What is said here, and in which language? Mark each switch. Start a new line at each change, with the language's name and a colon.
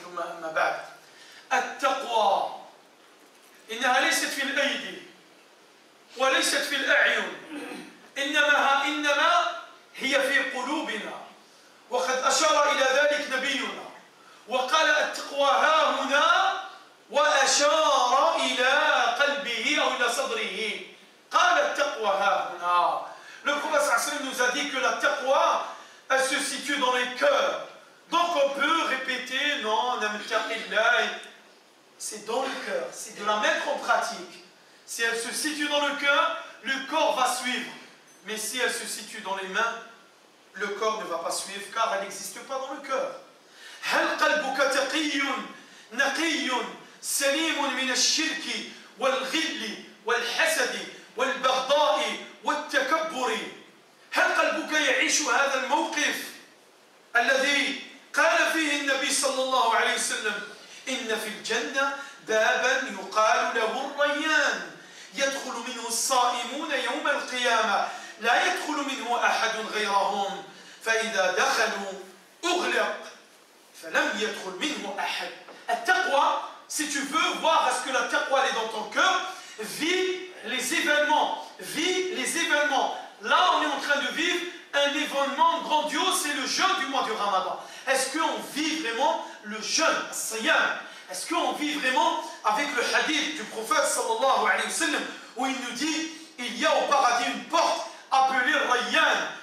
Arabic: ثم أما بعد، التقوى إنها ليست في الأيدي وليست في الأعين، إنما هي في قلوبنا، وقد أشار إلى ذلك نبينا وقال التقوى ها هنا، وأشار إلى قلبه أو إلى صدره. قال التقوى ها هنا.
French: Le Prophète صلى الله عليه وسلم nous a dit que la taqwa elle se situe dans les cœurs. Donc on peut répéter non, namtaqillah. C'est dans le cœur. C'est de la mettre en pratique. Si elle se situe dans le cœur, le corps va suivre. Mais si elle se situe dans les mains, le corps ne va pas suivre car elle n'existe pas dans le cœur.
Arabic: هل قلبك تقي نقي سليم من الشرك والغل والحسد والبغضاء والتكبر؟ هل قلبك يعيش هذا الموقف الذي قال فيه النبي صلى الله عليه وسلم إن في الجنة بابا يقال له الريان، يدخل منه الصائمون يوم القيامة، لا يدخل منه أحد غيرهم، فإذا دخلوا أغلق فلم يدخل منه أحد.
French: التقوى، si tu veux voir est-ce que la taqwa est dans ton cœur, vis les événements, vis les événements. Là, on est en train de vivre un événement grandiose, c'est le jeûne du mois du Ramadan. Est-ce qu'on vit vraiment le jeûne, siyam? Est-ce qu'on vit vraiment avec le hadith du prophète sallallahu alayhi wa sallam, où il nous dit, il y a au paradis une porte appelée Rayyan.